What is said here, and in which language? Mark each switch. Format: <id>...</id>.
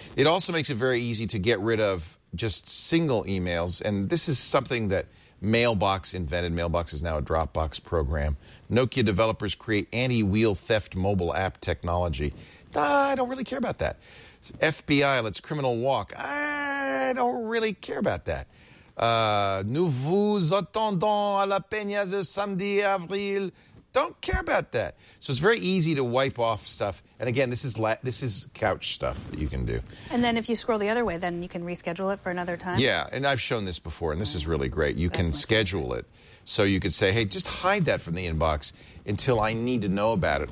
<en>It also makes it very easy to get rid of just single emails, and this is something that Mailbox invented. Mailbox is now a Dropbox program. Nokia developers create anti-wheel theft mobile app technology. I don't really care about that. FBI lets criminal walk. I don't really care about that.</en> <fr>Nous vous attendons à la peña de samedi avril.</fr> <en>Don't care about that. So it's very easy to wipe off stuff. And again, this is couch stuff that you can do. And then if you scroll the other way, then you can reschedule it for another time? Yeah, and I've shown this before, and this is really great. You can schedule it. So you could say, hey, just hide that from the inbox until I need to know about it.</en>